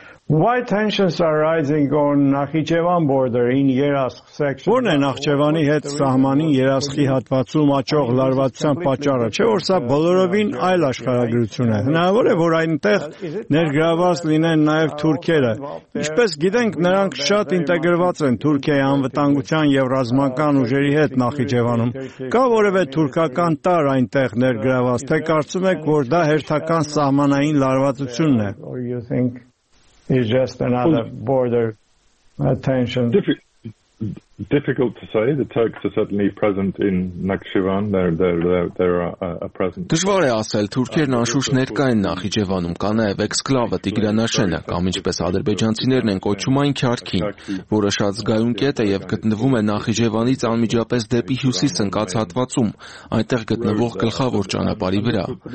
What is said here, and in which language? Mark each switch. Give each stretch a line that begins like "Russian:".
English: Why tensions are rising on Nakhichevan border in Yerask section?
Armenian: Որն է Նախճևանի հետ սահմանի Երասխի հատվածում աճող լարվածության պատճառը, չէ՞ որ սա բոլորովին այլ աշխարհագրություն է։ Հնարավոր է, որ այնտեղ ներգրավված լինեն նաև թուրքերը։ Ինչպես գիտենք, նրանք շատ ինտեգրված են Թուրքիայի անվտանգության և ռազմական ուժերի հետ Նախիջևանում։ Կա որևէ թուրքական տար այնտեղ ներգրավված, թե կարծում եք, որ դա հերթական սահմանային լարվածությունն է։
English: Is just another border tension. Difficult to say. The Turks are certainly present in Nakhchivan. There are a present.
Armenian: Դժվար է ասել, թուրքերն անշուշտ ներկա են Նախիջևանում, կա նաև էքսկլավը Տիգրանաշենը, կամ ինչպես ադրբեջանցիներն են կոչում այն քյարքին, որը շատ զգայուն կետ է և գտնվում է Նախիջևանից անմիջապես դեպի հյուսիս ընկած հատվածում, այնտեղ գտնվող գլխավոր ճանապարհի վրա։